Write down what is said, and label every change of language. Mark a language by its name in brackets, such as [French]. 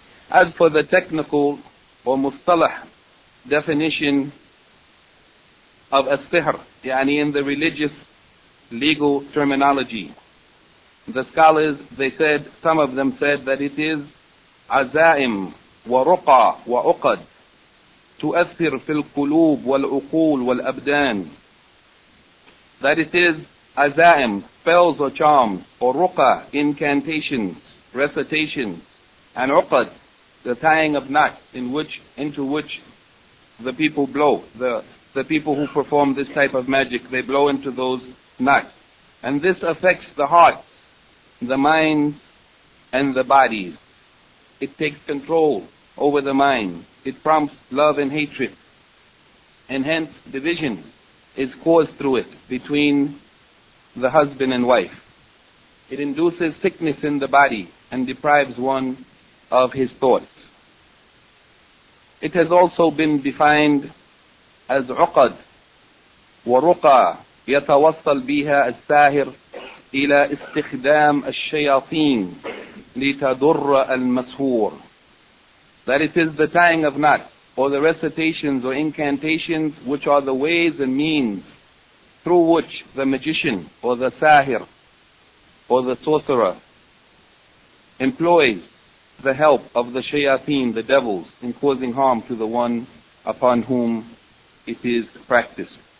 [English] As for the technical or mustalah definition of as-sihr, yani in the religious legal terminology, the scholars, they said, some of them said that it is azaim wa ruqa wa uqad, [Arabic] تؤثر في القلوب والعقول والأبدان. [English] That it is azaim, spells or charms, or ruqa, incantations, recitations, and uqad, the tying of knots into which the people blow, the people who perform this type of magic, they blow into those knots. And this affects the hearts, the minds, and the bodies. It takes control over the mind. It prompts love and hatred. And hence, division is caused through it between the husband and wife. It induces sickness in the body and deprives one of his thoughts. It has also been defined as [Arabic] عقد ورقى يتوصل بها الساهر إلى استخدام الشياطين لتضر المسهور. [English] That it is the tying of knots, or the recitations or incantations, which are the ways and means through which the magician or the sahir or the sorcerer employs the help of the shayateen, the devils, in causing harm to the one upon whom it is practiced.